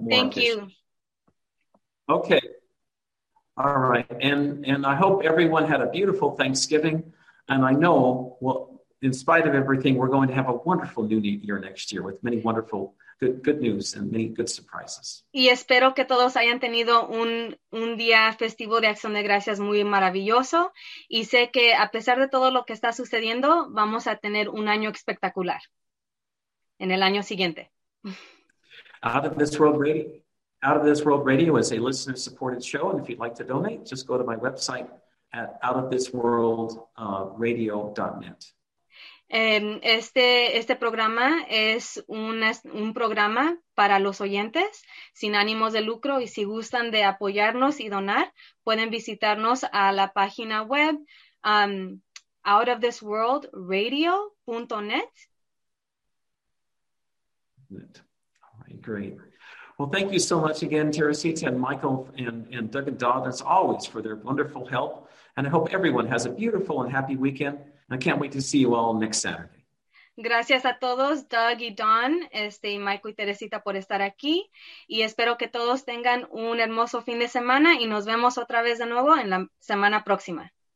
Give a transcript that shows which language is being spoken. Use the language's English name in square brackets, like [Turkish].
[English] thank you. Okay. All right. And I hope everyone had a beautiful Thanksgiving. And I know, in spite of everything, we're going to have a wonderful new year next year with many wonderful good news and many good surprises. [Spanish] Y espero que todos hayan tenido un día festivo de Acción de Gracias muy maravilloso. Y sé que a pesar de todo lo que está sucediendo, vamos a tener un año espectacular en el año siguiente. [English] Out of This World Radio is a listener-supported show. And if you'd like to donate, just go to my website at outofthisworldradio.net. [Spanish] Este programa es un programa para los oyentes sin ánimos de lucro y si gustan de apoyarnos y donar pueden visitarnos a la página web outofthisworldradio.net. [English] All right, great. Well, thank you so much again, Teresita and Michael and Doug and Dodd, as always, for their wonderful help. And I hope everyone has a beautiful and happy weekend. I can't wait to see you all next Saturday. [Spanish] Gracias a todos, Doug y Don, Michael y Teresita, por estar aquí. Y espero que todos tengan un hermoso fin de semana y nos vemos otra vez de nuevo en la semana próxima.